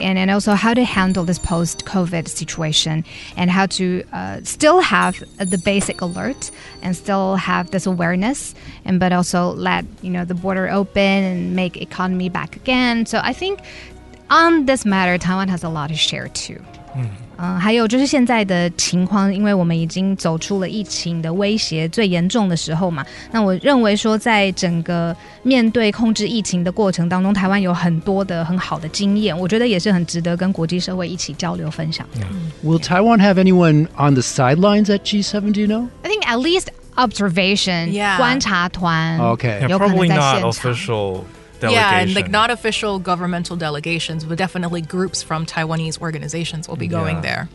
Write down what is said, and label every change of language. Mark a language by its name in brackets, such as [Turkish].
[English] And also how to handle this post-COVID situation and how to still have the basic alert and still have this awareness and but also let, you know, the border open and make economy back again. So I think on this matter, Taiwan has a lot to share too. [Chinese] 还有就是现在的情况，因为我们已经走出了疫情的威胁最严重的时候嘛，那我认为说在整个面对控制疫情的过程当中，台湾有很多的很好的经验，我觉得也是很值得跟国际社会一起交流分享的。 [English] Will Taiwan have anyone on the sidelines at G7, do you know? I think at least observation, 观察团 [Chinese] 有可能在现场。 [English] Probably not official. Yeah, and like not official governmental delegations, but definitely groups from Taiwanese organizations will be going there.